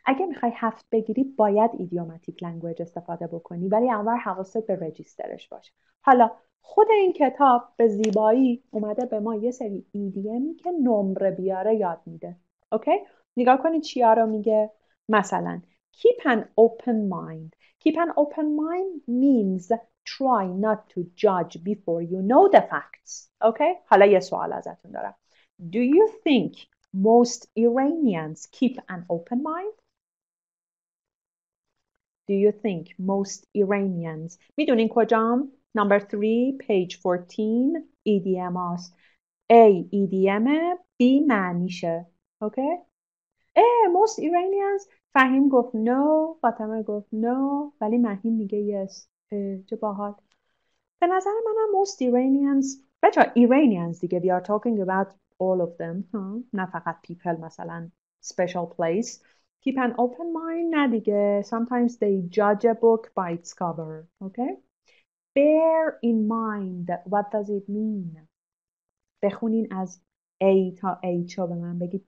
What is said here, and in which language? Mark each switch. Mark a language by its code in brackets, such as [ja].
[fa] اگه میخوای 7 بگیری باید ایدیوماتیک لنگویج استفاده بکنی، ولی اول حواست به رجیسترش باشه. حالا خود این کتاب به زیبایی اومده به ما یه سری ایدیمی که نمره بیاره یاد میده. اوکی؟ نگاه کنی چیا رو میگه. مثلا [en] keep an open mind. Keep an open mind means try not to judge before you know the facts. [fa] اوکی؟ حالا یه سوال ازتون دارم. [en] Do you think most Iranians keep an open mind? Do you think most Iranians... [fa] میدونین کجام؟ [en] Number 3, page 14, [fa] EDM هاست. [en] A, EDM B, [fa] معنیشه. [en] Okay? A, most Iranians. فهیم [fa] گفت [en] no. فاطمه گفت no. [fa] ولی مهیم میگه yes. چه باحال. به نظر من هم [en] most Iranians... [fa] بچه ها, [en] Iranians [fa] دیگه. [en] We are talking about all of them. [fa] نه فقط [en] people, [fa] مثلا [en] special place. Keep an open mind. [fa] نه دیگه. [en] Sometimes they judge a book by its cover. Okay? Bear in mind, what does it mean? [fa] بخونین از A تا H رو به من بگید.